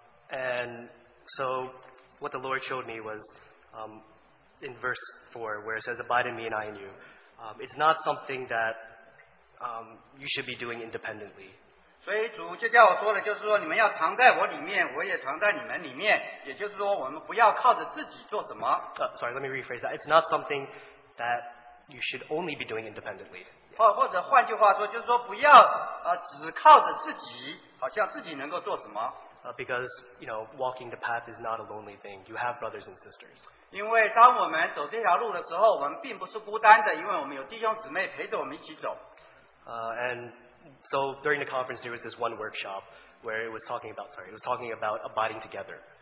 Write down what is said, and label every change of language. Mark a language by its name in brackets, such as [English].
[English] And so what the Lord showed me was in verse 4, where it says, Abide in me and I in you. It's not something that you should be doing independently. [Chinese] 所以主就叫我说的就是说你们要藏在我里面，我也藏在你们里面，也就是说我们不要靠着自己做什么。 [English] Sorry, let me rephrase that. It's not something that you should only be doing independently. [Chinese] 或者换句话说，就是说不要只靠着自己，好像自己能够做什么。 [English] Because, you know, walking the path is not a lonely thing. You have brothers and sisters. [Chinese] 因为当我们走这条路的时候，我们并不是孤单的，因为我们有弟兄姊妹陪着我们一起走。 [English] And so during the conference, there was this one workshop where it was talking about, sorry, it was talking about abiding together.